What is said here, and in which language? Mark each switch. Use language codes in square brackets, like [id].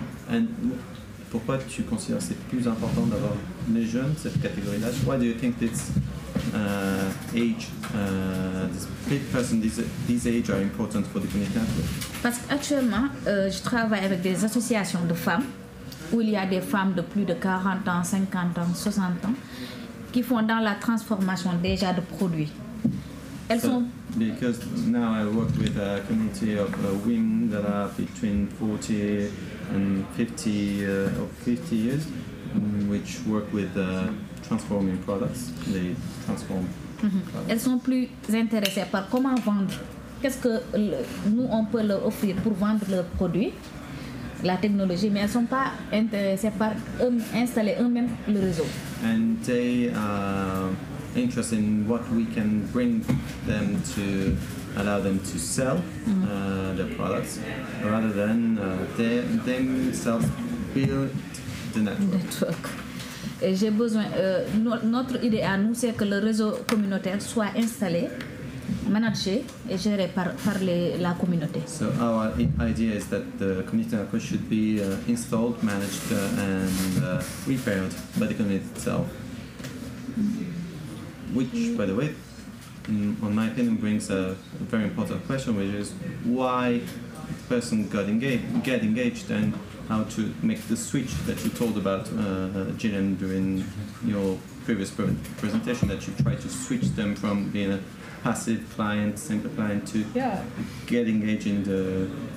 [fr] And pourquoi tu considères que c'est plus important d'avoir les jeunes, cette catégorie d'âge? [en] Why do you think this age, this age are important for the community? [fr] Parce qu'actuellement, je travaille avec des associations de femmes où il y a des femmes de plus de 40 ans, 50 ans, 60 ans qui font dans la transformation déjà de produits. Elles sont... [en] Because now I work with a community of women that are between 40 and 50 of 50 years, which work with transforming products. They transform. [fr] Elles sont plus intéressées par comment vendre. Qu'est-ce que nous on peut leur offrir pour vendre leurs produits, la technologie, mais elles sont pas intéressées par installer eux-mêmes le réseau. [en] And they interested in what we can bring them to allow them to sell their products rather than themselves build the network. [fr] Et j'ai besoin, notre idée à nous, c'est que le réseau communautaire soit installé, managé et géré par la communauté. [en] So our idea is that the community network should be installed, managed and repaired by the community itself. Which, by the way, on my opinion, brings a very important question, which is why the person get engaged and how to make the switch that you told about, Jillian, during your previous presentation, that you tried to switch them from being a passive client, simple client, to get engaged in the...